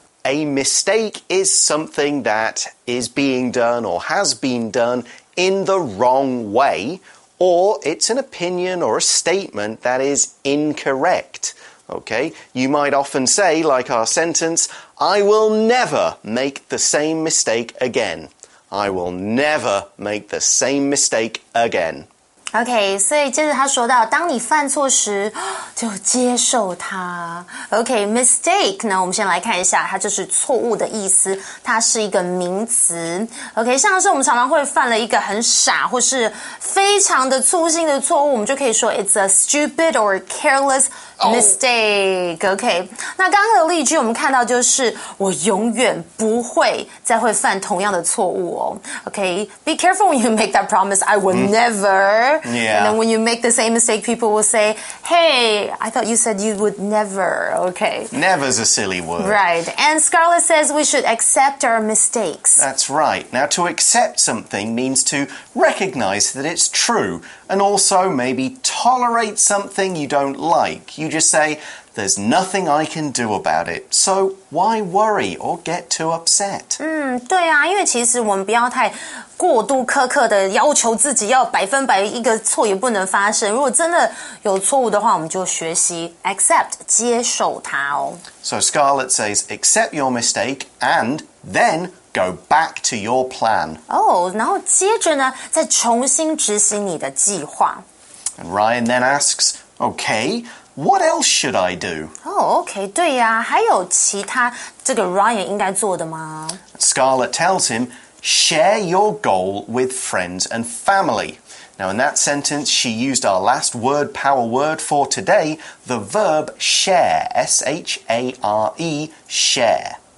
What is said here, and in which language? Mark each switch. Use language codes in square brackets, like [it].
[en] A mistake is something that is being done or has been done in the wrong way, or it's an opinion or a statement that is incorrect. Okay, you might often say, like our sentence,I will never make the same mistake again. I will never make the same mistake again. [zh] Okay, 所以接着他说到，当你犯错时，就接受它。 Okay, mistake, 那我们先来看一下，它就是错误的意思，它是一个名词。 Okay, 像是我们常常会犯了一个很傻或是非常的粗心的错误，我们就可以说 [en] it's a stupid or carelessmistake, okay. [zh] 那刚刚的例句我们看到就是我永远不会再会犯同样的错误哦。 [en] Okay, be careful when you make that promise, I will never. Yeah. And then when you make the same mistake, people will say, hey, I thought you said you would never, okay. Never's a silly word. Right. And Scarlett says we should accept our mistakes. That's right. Now, to accept something means to recognize that it's true and also maybe tolerate something you don't like. You just say, there's nothing I can do about it. So why worry or get too upset? [zh] 对啊，因为其实我们不要太过度苛刻的要求自己要百分百一个错也不能发生。如果真的有错误的话，我们就学习 accept, 接受它哦。 [en] So Scarlett says, accept your mistake and then go back to your plan. [zh] 然后接着呢，再重新执行你的计划。 [en] And Ryan then asks, okay,What else should I do? [zh] Okay, 对呀、啊、还有其他这个 Ryan 应该做的吗 [en] Scarlett tells him, share your goal with friends and family. Now, in that sentence, she used our last word power word for today, the verb share, S-H-A-R-E, share.